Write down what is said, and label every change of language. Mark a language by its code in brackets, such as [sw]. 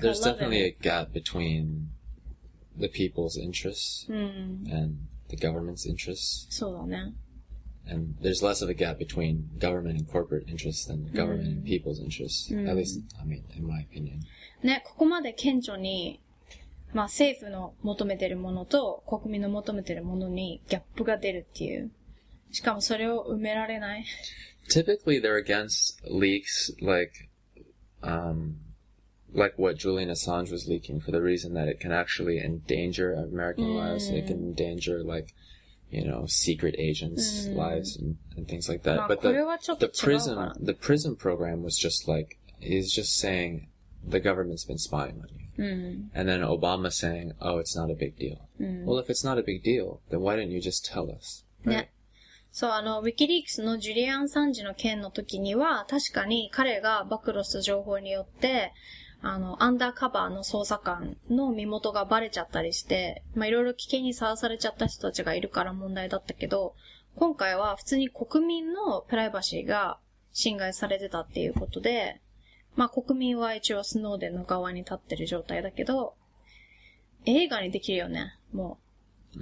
[en] There's definitely a gap between the people's interests and the government's interests. [ja] そうだね。 [en] And there's less of a gap between government and corporate interests than the government and people's interests. At least, I mean, in my opinion. [ja] ね、ここまで顕著に、まあ政府の求めてるものと国民の求めてるものにギャップが出るっていう。しかもそれを埋められない。 [en] Typically, they're against leaks like what Julian Assange was leaking for the reason that it can actually endanger American lives. It can endanger, like, you know, secret agents' lives and things like that. But the prison program was just like, he's just saying the government's been spying on you. And then Obama saying, oh, it's not a big deal. Well, if it's not a big deal, then why didn't you just tell us? Right? Yeah. [ja] そう、あの、ウィキリークスのジュリアン・サンジの件の時には、確かに彼が暴露した情報によって、あの、アンダーカバーの捜査官の身元がバレちゃったりして、ま、いろいろ危険にさらされちゃった人たちがいるから問題だったけど、今回は普通に国民のプライバシーが侵害されてたっていうことで、まあ、国民は一応スノーデンの側に立ってる状態だけど、映画にできるよね、もう。